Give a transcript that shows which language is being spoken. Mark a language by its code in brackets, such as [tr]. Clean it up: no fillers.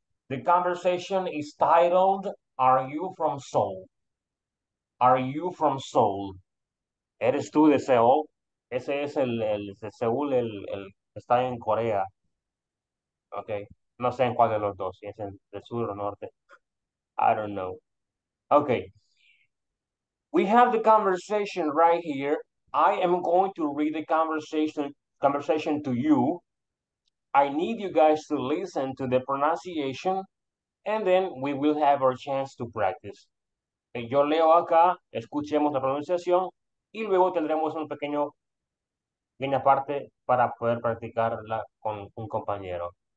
[en] The conversation is titled, Are You From Seoul? Are You From Seoul? [es] ¿Eres tú de Seoul? Ese es el de Seoul, el está en Corea. Ok. No sé en cuál de los dos, si es en el sur o norte. [en] I don't know. Ok. We have the conversation right here. I am going to read the conversation to you. I need you guys to listen to the pronunciation and then we will have our chance to practice. [es] Yo leo acá, escuchemos la pronunciación y luego tendremos una pequeña parte para poder practicarla con un compañero.